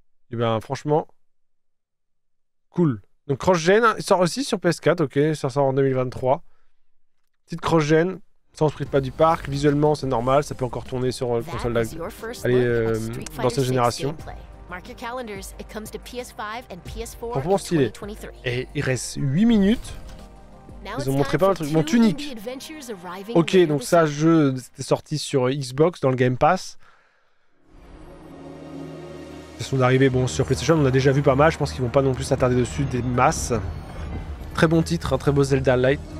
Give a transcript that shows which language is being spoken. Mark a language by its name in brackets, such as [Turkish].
[French] Et ben, franchement. Cool. Donc, cross-gen, il sort aussi sur PS4, ok. Ça sort en 2023. Petite cross-gen, sans prix de pas du parc. Visuellement, c'est normal. Ça peut encore tourner sur console d'ancienne génération. [English] Mark your calendars, it comes to PS5 and PS4 in 2023. [French] Et il reste 8 minutes. Ils ont montré pas un truc. Mon Tunic. Ok, donc ça, jeu, c'était sorti sur Xbox dans le Game Pass. Ils sont arrivés bon, sur PlayStation, on a déjà vu pas mal. Je pense qu'ils vont pas non plus s'attarder dessus des masses. Très bon titre, un très beau Zelda Light.